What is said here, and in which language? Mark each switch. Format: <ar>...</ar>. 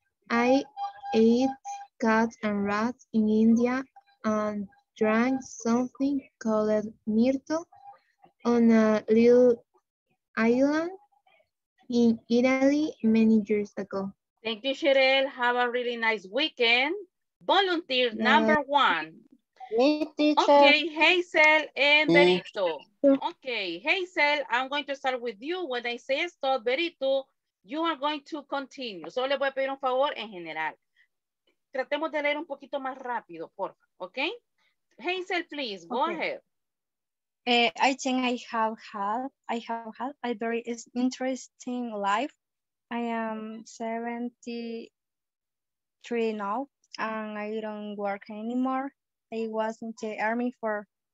<en>I ate cats and rats in India and drank something called mirto on a little island in Italy many years ago. Thank you, Shirelle. Have a really nice weekend. Volunteer number one. Me, teacher. Okay, Hazel and Berito. Okay, Hazel, I'm going to start with you. When I say stop, Berito, you are going to continue.</en> <es>Solo le voy a pedir un favor en general. Tratemos de leer un poquito más rápido, por favor.</es> <en>Okay? Hazel, please, go ahead. I think I have had a very interesting life. I am 73 now, and I don't work anymore. I was in the army for</en>